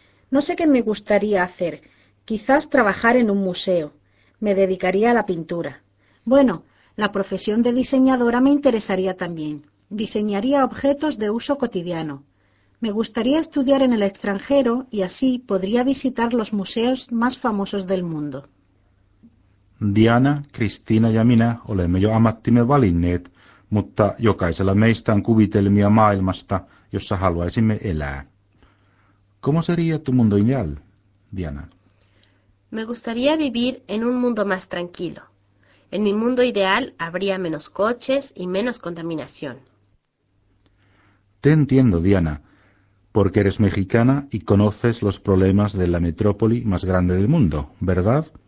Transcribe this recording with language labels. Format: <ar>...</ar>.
<es>No sé qué me gustaría hacer. Quizás trabajar en un museo. Me dedicaría a la pintura. Bueno, la profesión de diseñadora me interesaría también. Diseñaría objetos de uso cotidiano. Me gustaría estudiar en el extranjero y así podría visitar los museos más famosos del mundo.</es> <fi>Diana, Cristina ja minä olemme jo ammattimme valinneet, mutta jokaisella meistä on kuvitelmia maailmasta, jossa haluaisimme elää.</fi> <es>¿Cómo sería tu mundo ideal? Diana. Me gustaría vivir en un mundo más tranquilo. En mi mundo ideal habría menos coches y menos contaminación. Te entiendo, Diana, porque eres mexicana y conoces los problemas de la metrópoli más grande del mundo, ¿verdad?</es>